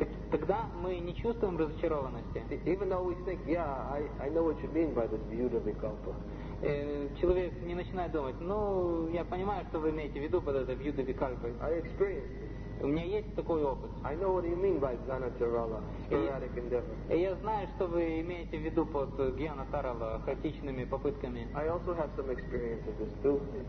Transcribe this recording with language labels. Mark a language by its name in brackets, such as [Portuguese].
[Russian] Тогда мы не чувствуем разочарованности. [English] Even though we think, yeah, I know what you mean by this Vidya-vikalpa. [Russian] Человек не начинает думать, ну, я понимаю, что вы имеете в виду под это Vidya-vikalpa. [English] I experienced it. [Russian] У меня есть такой опыт. [English] I know what you mean by Jnana Tarala, sporadic endeavor. [Russian] И я знаю, что вы имеете в виду под Jnana Tarala, хаотичными попытками. [English] I also have some experience of this too.